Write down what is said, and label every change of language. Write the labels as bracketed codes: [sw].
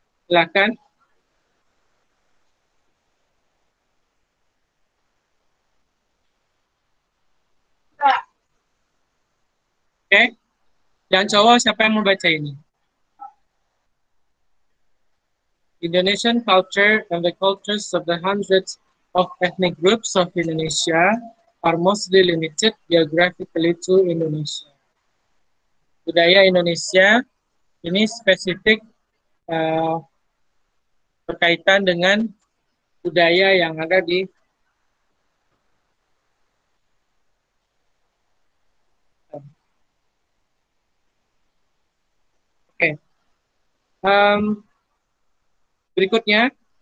[id] Silakan. Oke. Yang cowok siapa yang mau baca ini? [en] Indonesian culture and the cultures of the hundreds of ethnic groups of Indonesia are mostly limited geographically to Indonesia. [id] Budaya Indonesia ini spesifik berkaitan dengan budaya yang ada di berikutnya.